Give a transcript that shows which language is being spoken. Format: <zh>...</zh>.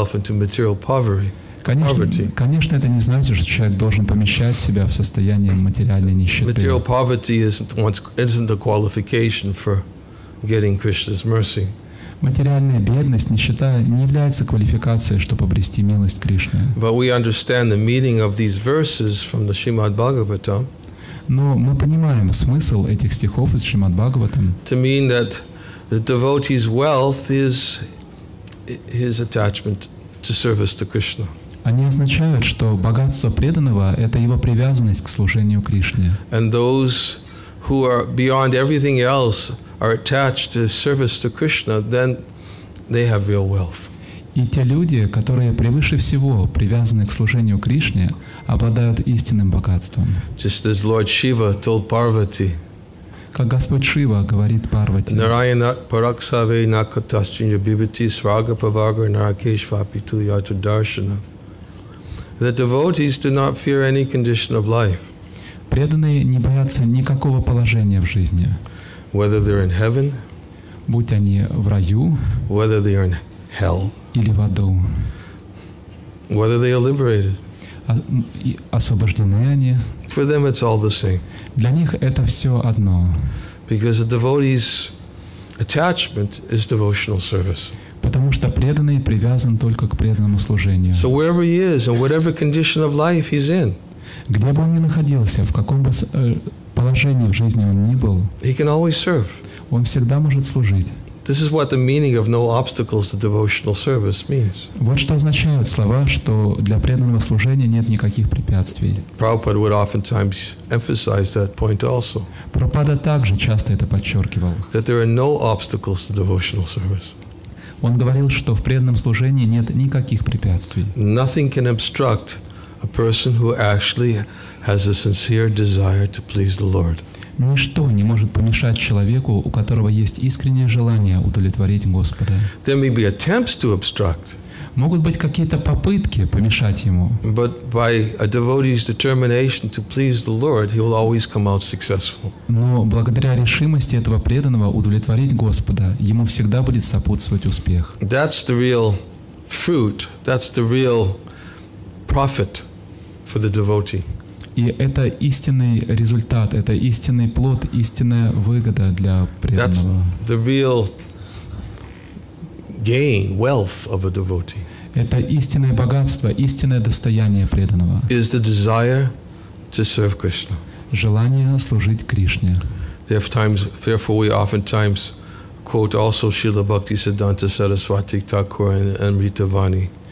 <ru>Конечно, это не значит, что человек должен помещать себя в состояние материальной нищеты.</ru> <en>Material poverty isn't the qualification for getting Krishna's mercy.</en> <ru>Материальная бедность, нищета, не является квалификацией, чтобы обрести милость Кришны.</ru> <en>But we understand the meaning of these verses from the Srimad Bhagavatam.</en> <ru>Но мы понимаем смысл этих стихов из Шримад Бхагаватам.</ru> <en>To mean that the devotee's wealth is his attachment to service to Krishna.</en> <ru>Они означают, что богатство преданного – это его привязанность к служению Кришне.</ru> <en>And those who are beyond everything else are attached to service to Krishna, then they have real wealth.</en> <ru>И те люди, которые превыше всего привязаны к служению Кришне, обладают истинным богатством.</ru> <en>Just as Lord Shiva told Parvati.</en> <ru>Как Господь Шива говорит Парвати.</ru> <sa>Narayana Paraksave Nakatastrinya Bibhati Svarga Pavagra Narakeshvapitu Yatudarshana.</sa> <en>The devotees do not fear any condition of life.</en> <ru>Преданные не боятся никакого положения в жизни.</ru> <en>Whether they're in heaven,</en> <ru>будь они в раю,</ru> <en>whether they're in hell,</en> <ru>или в аду,</ru> <en>whether they are liberated,</en> <ru>освобождены они,</ru> <en>for them it's all the same.</en> <ru>Для них это все одно.</ru> <en>Because a devotee's attachment is devotional service.</en> <ru>Потому что преданный привязан только к преданному служению.</ru> <en>So wherever he is and whatever condition of life he's in,</en> <ru>где бы он ни находился, в каком бы положении в жизни он ни был,</ru> <en>he can always serve.</en> <ru>Он всегда может служить.</ru> <en>This is what the meaning of no obstacles to devotional service means.</en> <ru>Вот что означают слова, что для преданного служения нет никаких препятствий.</ru> <en>Prabhupada would oftentimes emphasize that point also.</en> <ru>Прабхупада также часто это подчеркивал.</ru> <en>That there are no obstacles to devotional service.</en> <ru>Он говорил, что в преданном служении нет никаких препятствий.</ru> <en>Nothing can obstruct a person who actually has a sincere desire to please the Lord.</en> <ru>Ничто не может помешать человеку, у которого есть искреннее желание удовлетворить Господа.</ru> <en>There may be attempts to obstruct.</en> <ru>Могут быть какие-то попытки помешать ему.</ru> <en>But by a devotee's determination to please the Lord, he will always come out successful.</en> <ru>Но благодаря решимости этого преданного удовлетворить Господа, ему всегда будет сопутствовать успех.</ru> <en>That's the real fruit. That's the real profit for the devotee.</en> <ru>И это истинный результат, это истинный плод, истинная выгода для преданного.</ru> <en>That's the real gain, wealth of a devotee.</en> <ru>Это истинное богатство, истинное достояние преданного.</ru> <en>Is the desire to serve Krishna.</en> <ru>Желание служить Кришне.</ru> <en>Therefore, we oftentimes quote also Srila Bhakti Siddhanta Saraswati Thakur and Amrita Vani.</en>